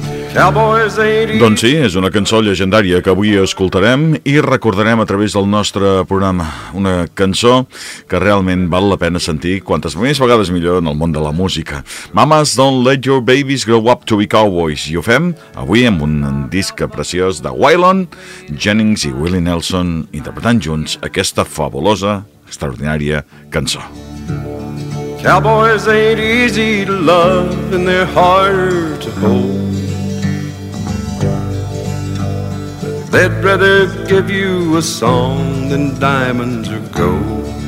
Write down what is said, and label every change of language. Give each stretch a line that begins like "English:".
Catalan: Doncs sí, és una cançó llegendària que avui escoltarem i recordarem a través del nostre programa. Una cançó que realment val la pena sentir quantes més vegades millor en el món de la música.
English: Mamas, don't let your babies grow up to be cowboys.
Catalan: I ho fem avui amb un disc preciós de Waylon Jennings i Willie Nelson interpretant junts aquesta fabulosa, extraordinària cançó.
English: Cowboys ain't easy to love and they're hard to hold. They'd rather give you a song than diamonds or gold.